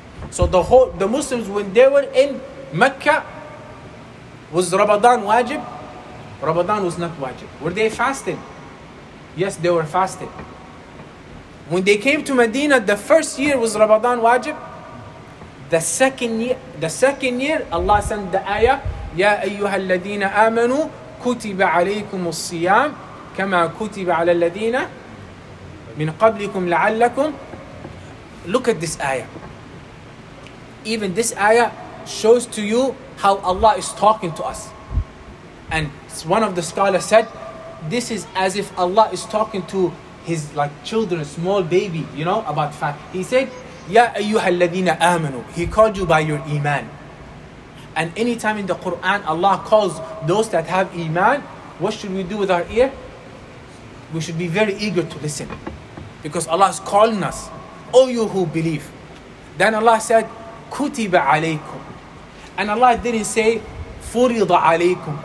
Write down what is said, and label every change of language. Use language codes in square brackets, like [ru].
[en] So the Muslims, when they were in Mecca, was Ramadan wajib? Ramadan was not wajib. Were they fasting? Yes, they were fasting. When they came to Medina, the first year was Ramadan wajib? The second year, Allah sent the ayah, [ar] يا أيها الذين آمنوا كتب عليكم الصيام كما كتب على الذين من قبلكم لعلكم. [en] Look at this ayah. Even this ayah shows to you how Allah is talking to us. And one of the scholars said, this is as if Allah is talking to his like children, small baby, you know, about fat. He said, [ar] يا أيها الذين آمنوا. [en] He called you by your iman. And anytime in the Quran, Allah calls those that have iman, what should we do with our ear? We should be very eager to listen. Because Allah is calling us, O you who believe. Then Allah said, [ar] Kutiba alaykum. [en] And Allah didn't say, [ar] Furida alaykum.